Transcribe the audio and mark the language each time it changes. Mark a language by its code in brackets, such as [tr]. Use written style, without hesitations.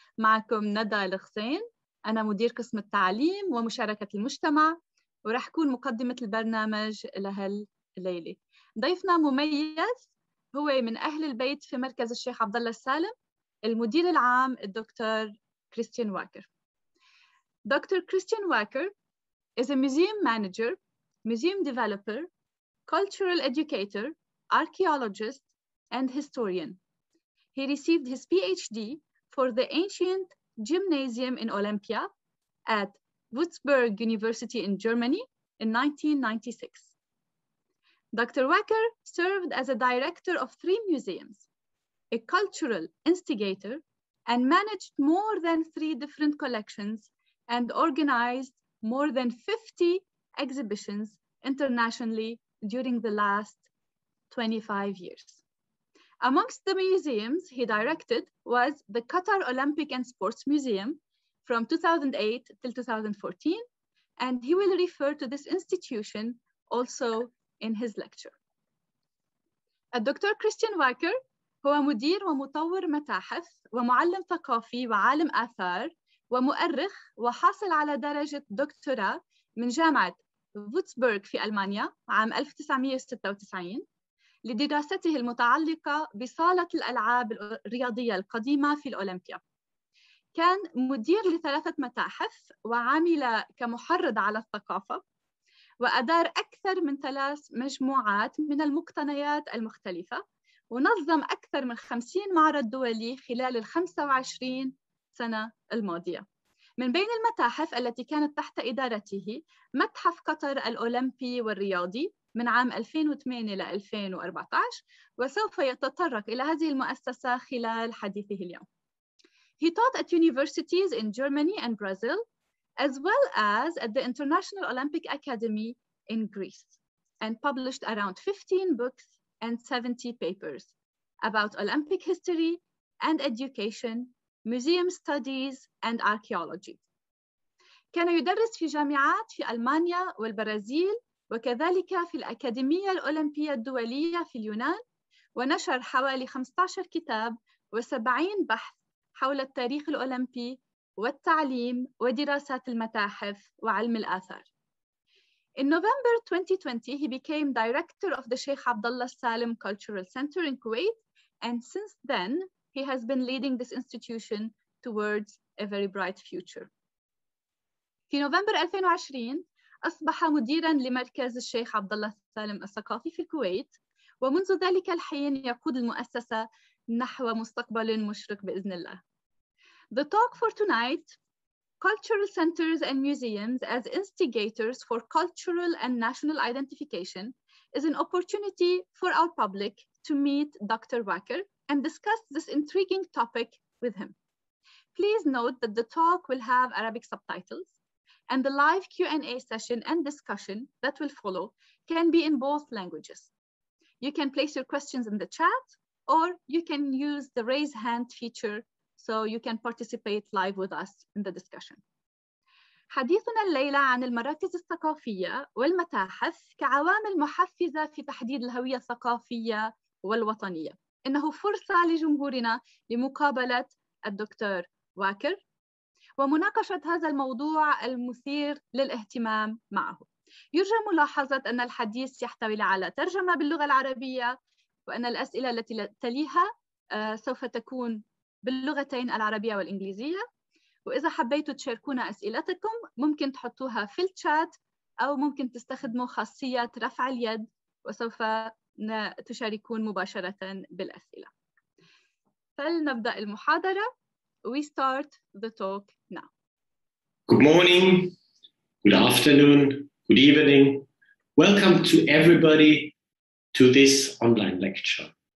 [ar] معكم ندى الغسين، أنا مدير قسم التعليم ومشاركة المجتمع، ورح أكون مقدمة البرنامج لهالليلة. ضيفنا مميز، هو من أهل البيت في مركز الشيخ عبدالله السالم، المدير العام الدكتور كريستيان واكر. [en] Doctor Christian Wacker is a museum manager, museum developer, cultural educator, archaeologist, and historian. He received his PhD for the ancient gymnasium in Olympia at Würzburg University in Germany in 1996. Dr. Wacker served as a director of three museums, a cultural instigator, and managed more than three different collections and organized more than 50 exhibitions internationally during the last 25 years. Amongst the museums he directed was the Qatar Olympic and Sports Museum from 2008 till 2014, and he will refer to this institution also in his lecture. [ar] الدكتور كريستيان واكر هو مدير ومطور متاحف ومعلم ثقافي وعالم آثار ومؤرخ وحاصل على درجة دكتوراه من جامعة فوتسبرغ في ألمانيا عام 1996 لدراسته المتعلقة بصالة الألعاب الرياضية القديمة في الأولمبيا. كان مدير لثلاثة متاحف وعمل كمحرض على الثقافة وأدار أكثر من ثلاث مجموعات من المقتنيات المختلفة ونظم أكثر من 50 معرض دولي خلال 25 سنة الماضية. من بين المتاحف التي كانت تحت إدارته متحف قطر الأولمبي والرياضي من عام 2008 إلى 2014، وسوف يتطرق إلى هذه المؤسسة خلال حديثه اليوم. [en] He taught at universities in Germany and Brazil, as well as at the International Olympic Academy in Greece, and published around 15 books and 70 papers about Olympic history and education, museum studies and archaeology. [ar] كان يدرس في جامعات في ألمانيا والبرازيل وكذلك في الأكاديمية الأولمبية الدولية في اليونان، ونشر حوالي 15 كتاب و70 بحث حول التاريخ الأولمبي والتعليم ودراسات المتاحف وعلم الآثار. [en] In November 2020, he became director of the Sheikh Abdullah Salem Cultural Center in Kuwait, and since then, he has been leading this institution towards a very bright future. [ar] في نوفمبر 2020 أصبح مديراً لمركز الشيخ عبدالله السالم الثقافي في الكويت، ومنذ ذلك الحين يقود المؤسسة نحو مستقبل مشرق بإذن الله. [en] The talk for tonight, cultural centers and museums as instigators for cultural and national identification, is an opportunity for our public to meet Dr. Wacker and discuss this intriguing topic with him. Please note that the talk will have Arabic subtitles, and the live Q&A session and discussion that will follow can be in both languages. You can place your questions in the chat, or you can use the raise hand feature so you can participate live with us in the discussion. [ar] حديثنا الليلة عن المراكز الثقافية والمتاحف كعوامل محفزة في تحديد الهوية الثقافية والوطنية. إنه فرصة لجمهورنا لمقابلة الدكتور واكر ومناقشة هذا الموضوع المثير للاهتمام معه. يرجى ملاحظة أن الحديث يحتوي على ترجمة باللغة العربية، وأن الأسئلة التي تليها سوف تكون باللغتين العربية والإنجليزية، وإذا حبيتوا تشاركونا أسئلتكم ممكن تحطوها في الشات، أو ممكن تستخدموا خاصية رفع اليد وسوف تشاركون مباشرة بالأسئلة. فلنبدأ المحاضرة. [en] We start the talk now. morning, good afternoon, good evening. Welcome to everybody to this online lecture.